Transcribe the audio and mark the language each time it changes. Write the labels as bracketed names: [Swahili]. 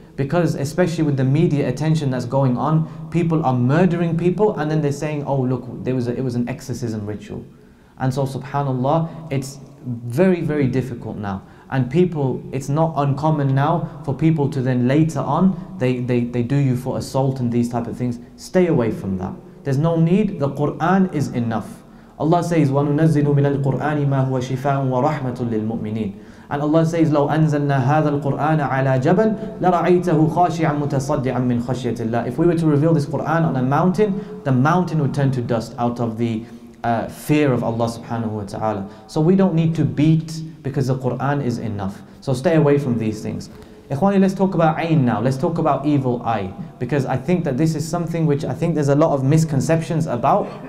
[English] Because especially with the media attention that's going on, people are murdering people, and then they're saying, oh look, it was an exorcism ritual. And so subhanAllah, it's very, very difficult now. And people, it's not uncommon now for people to then later on, they do you for assault and these type of things. Stay away from that. There's no need. The Qur'an is enough. Allah says, [Arabic] وَنُنَزِّلُ مِنَ الْقُرْآنِ مَا هُوَ شِفَاءٌ وَرَحْمَةٌ لِلْمُؤْمِنِينَ. [English] And Allah says, [Arabic] لَوْ أَنزَلْنَا هَذَا الْقُرْآنَ عَلَى جَبَلٍ لَرَعَيْتَهُ خَاشِعًا مُتَصَدِّعًا مِّنْ خَشْيَةِ اللَّهِ. [English] If we were to reveal this Qur'an on a mountain, the mountain would turn to dust out of the fear of Allah subhanahu wa ta'ala. So we don't need to beat, because the Qur'an is enough. So stay away from these things. Ikhwani, let's talk about Ayn now. Let's talk about evil eye. Because I think that this is something which I think there's a lot of misconceptions about.